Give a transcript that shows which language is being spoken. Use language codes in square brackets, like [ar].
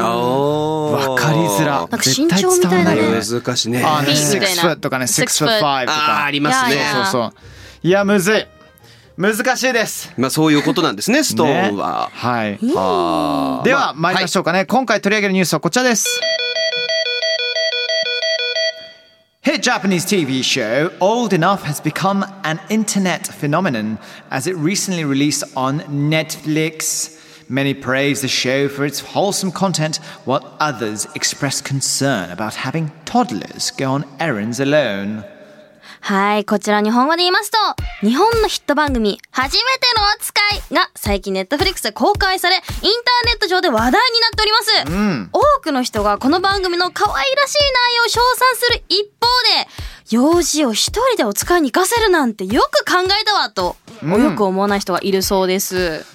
[ja] わかりづら。絶対伝わんないよね。難しいね。あ、6 foot とかね、6 foot 5とか。あ、ありますね。そうそうそう。いや、むずい。難しいです。まあそういうことなんですね、ストーンは。ね、はい。はでは、まあ、参りましょうかね、はい。今回取り上げるニュースはこちらです。 [en] Hit Japanese TV show Old Enough has become an internet phenomenon as it recently released on Netflix. Many praise the show for its wholesome content, while others express concern about having toddlers go on errands alone. [ja] はい、こちら日本語で言いますと、日本のヒット番組初めてのお使いが最近ネットフリックスで公開され、インターネット上で話題になっております、うん、多くの人がこの番組の可愛らしい内容を称賛する一方で、幼児を一人でお使いに行かせるなんてよく考えたわと、うん、よく思わない人がいるそうです。